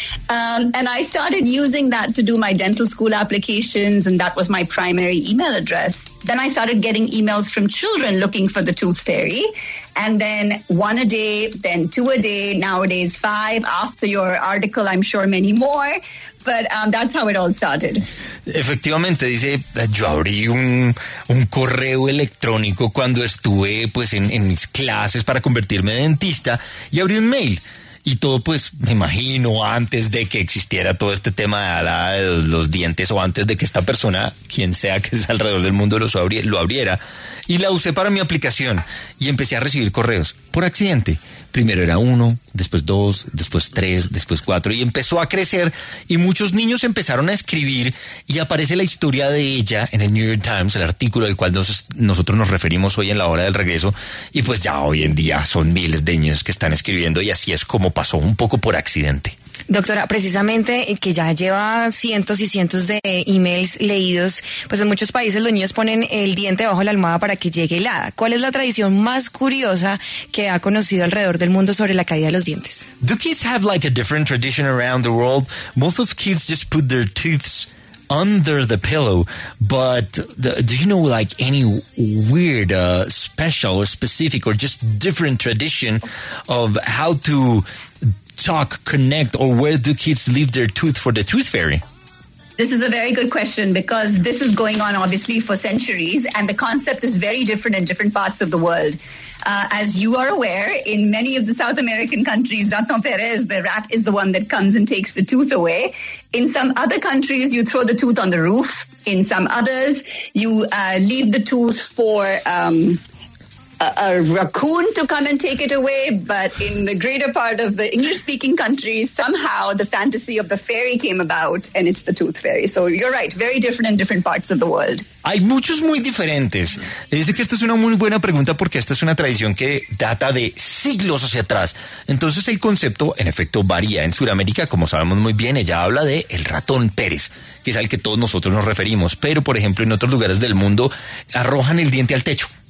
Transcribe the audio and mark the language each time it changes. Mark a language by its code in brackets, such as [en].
[en] And I started using that to do my dental school applications, and that was my primary email address. Then I started getting emails from children looking for the Tooth Fairy. And then one a day, then two a day, nowadays five. After your article, I'm sure many more. But that's how it all started. [es] Efectivamente, dice, yo abrí un correo electrónico cuando estuve pues en mis clases para convertirme en dentista y abrí un mail. Y todo, pues, me imagino, antes de que existiera todo este tema de los dientes o antes de que esta persona, quien sea que sea alrededor del mundo, lo abriera. Y la usé para mi aplicación y empecé a recibir correos por accidente. Primero era uno, después dos, después tres, después cuatro. Y empezó a crecer y muchos niños empezaron a escribir y aparece la historia de ella en el New York Times, el artículo al cual nosotros nos referimos hoy en la hora del regreso. Y pues ya hoy en día son miles de niños que están escribiendo y así es como pasó un poco por accidente. Doctora, precisamente que ya lleva cientos y cientos de emails leídos, pues en muchos países los niños ponen el diente bajo la almohada para que llegue helada. ¿Cuál es la tradición más curiosa que ha conocido alrededor del mundo sobre la caída de los dientes? [en] Do kids have like a different tradition around the world? Most of kids just put their teeth under the pillow, but do you know like any weird, special or specific or just different tradition of how to talk, connect, or where do kids leave their tooth for the tooth fairy? This is a very good question because this is going on obviously for centuries and the concept is very different in different parts of the world. As you are aware, in many of the South American countries, Ratón Pérez, the rat, is the one that comes and takes the tooth away. In some other countries, you throw the tooth on the roof. In some others, you leave the tooth for a raccoon to come and take it away, but in the greater part of the English-speaking countries, somehow the fantasy of the fairy came about, and it's the tooth fairy. So you're right, very different in different parts of the world. [es] Hay muchos muy diferentes. Dice que esta es una muy buena pregunta porque esta es una tradición que data de siglos hacia atrás. Entonces el concepto, en efecto, varía. En Sudamérica, como sabemos muy bien, ella habla de el ratón Pérez, que es al que todos nosotros nos referimos. Pero, por ejemplo, en otros lugares del mundo, arrojan el diente al techo.